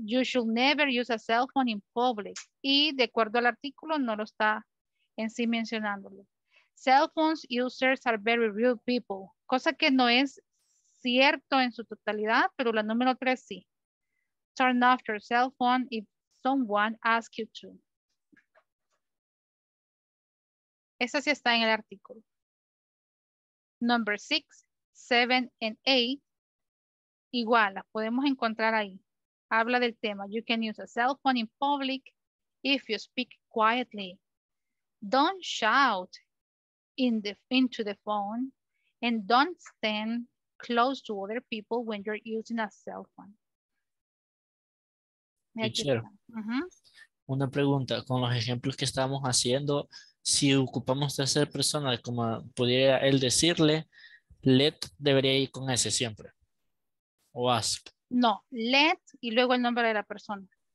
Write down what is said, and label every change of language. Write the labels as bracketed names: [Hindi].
[English] You should never use a cell phone in public. [Spanish] Y de acuerdo al artículo, no lo está en sí mencionándolo. [English] Cell phones users are very rude people. [Spanish] Cosa que no es cierto en su totalidad, pero la número tres sí. [English] Turn off your cell phone if someone asks you to. [Spanish] Esa sí está en el artículo. [English] Number six, seven, and eight. [Spanish] Igual, las podemos encontrar ahí. Habla del tema. [English] You can use a cell phone in public if you speak quietly. Don't shout into the phone and don't stand close to other people when you're using a cell phone. [Spanish] Teacher, una pregunta, con los ejemplos que estamos haciendo, si ocupamos tercera persona, como pudiera él decirle, let debería ir con ese siempre, o ask. No, let y luego el nombre de la persona.